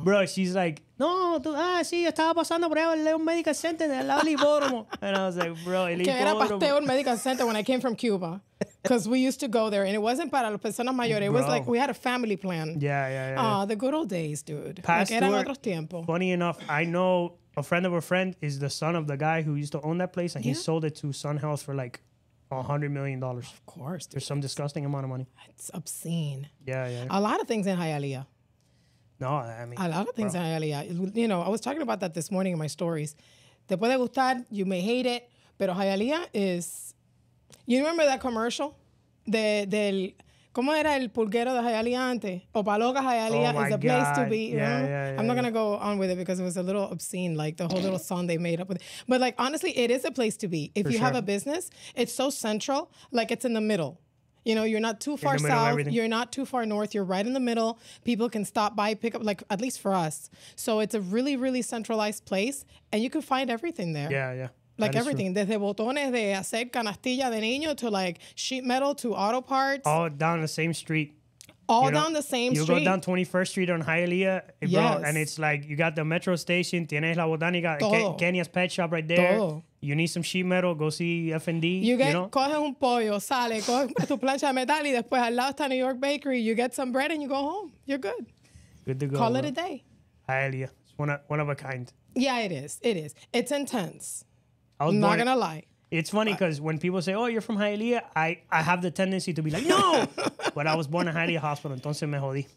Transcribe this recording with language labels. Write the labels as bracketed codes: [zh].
[en] Bro, she's like, [es] no, tú, sí, estaba pasando por ahí el Medical Center en el lado del hipódromo. [en] And I was like, bro, [es] el hipódromo. Que era [en] Pasteur Medical Center when I came from Cuba. Because we used to go there, and it wasn't [es] para las personas mayores. [en] It was like we had a family plan. Yeah. The good old days, dude. Pasteur, [es] eran otros tiempos. [en] Funny enough, I know a friend of a friend is the son of the guy who used to own that place, and he sold it to Sun Health for like $100 million. Of course. There's some disgusting amount of money. It's obscene. Yeah. A lot of things in Hialeah. No, I mean. A lot of things in Hialeah. You know, I was talking about that this morning in my stories. [es] Te puede gustar, [en] you may hate it, [es] pero [en] Hialeah is. You remember that commercial? [es] Del, ¿cómo era el pulguero de Hialeah antes? [en] O Paloca Hialeah is the place to be. I'm not going to go on with it because it was a little obscene, like the whole little song they made up with. But like, honestly, it is a place to be. If you have a business, it's so central, like it's in the middle. You know, you're not too far south, you're not too far north, you're right in the middle. People can stop by, pick up, like at least for us. So it's a really, really centralized place and you can find everything there. Yeah. Like that everything, [es] desde botones de hacer canastilla de niño [en] to like sheet metal to auto parts. All down the same street. All you know, down the same you street. You go down 21st Street on Hialeah, bro, and it's like you got the metro station, [es] tienes la botánica, [en] Kenya's pet shop right there. [es] Todo. [en] You need some sheet metal, go see F&D. You [es] coges un pollo, sale, coges tu plancha de metal y después al lado está New York Bakery. [en] You get some bread and you go home. You're good. Good to go. Call it a day. Hialeah, it's one of a kind. Yeah, it is. It is. It's intense. I'm not going to lie. It's funny because when people say, oh, you're from Hialeah, I have the tendency to be like, no. But I was born in Hialeah Hospital. [es] Entonces me jodí.